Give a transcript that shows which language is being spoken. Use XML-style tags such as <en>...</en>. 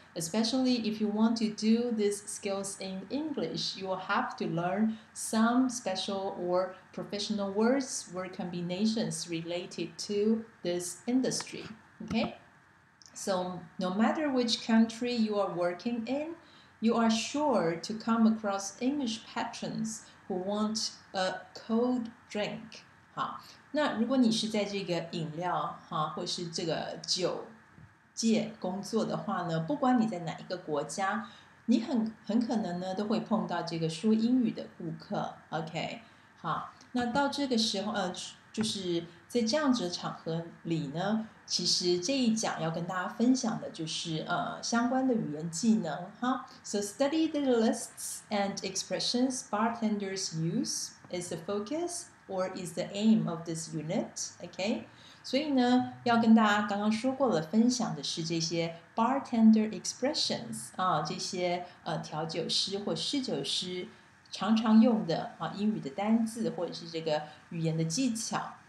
<en>Especially if you want to do these skills in English, you will have to learn some special or professional words or combinations related to this industry. Okay? So no matter which country you are working in, you are sure to come across English patrons who want a cold drink.</en> <zh>好，那如果你是在这个饮料，哈，或是这个酒界工作的话呢，不管你在哪一个国家，你 很可能呢都会碰到这个说英语的顾客。 OK， 好，那到这个时候就是在这样子的场合里呢，其实这一讲要跟大家分享的就是相关的语言技能哈。</zh> <en>So study the lists and expressions bartenders use is the focus or is the aim of this unit.</en> <zh>OK，所以呢，要跟大家刚刚说过了，分享的是这些</zh> <en>bartender expressions</en> <zh>啊，这些调酒师或侍酒师常常用的啊英语的单字或者是这个语言的技巧。</zh>